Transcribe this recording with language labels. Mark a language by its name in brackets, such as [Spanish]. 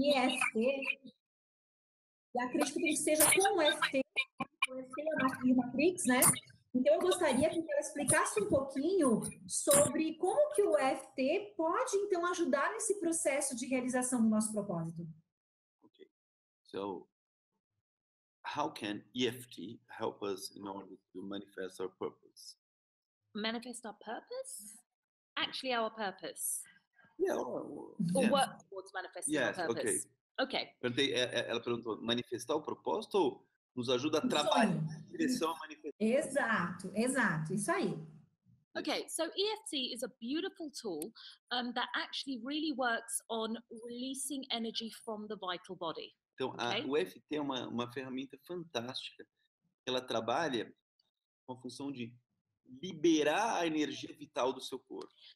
[Portuguese] E assim, ó, como a Sunita é especialista em EFT, e acredito que seja com EFT, e Matrix, né? Então, eu gostaria que ela explicasse um pouquinho sobre como que o EFT pode, então, ajudar nesse processo de realização do nosso propósito. [English] Ok. So, how can EFT help us in order to manifest our purpose? Manifest our purpose? Actually, our purpose. Yeah. Or work towards manifesting yes, our purpose. Yes, okay. Okay. [Portuguese] Perguntei, ela perguntou, manifestar o propósito ou nos ajuda a trabalhar em direção a manifestar? Exato, exato, isso aí. [English] Okay, so EFT is a beautiful tool that actually really works on releasing energy from the vital body. [Portuguese] Então, o EFT é uma ferramenta fantástica. Ela trabalha com a função de liberar a energia vital do seu corpo.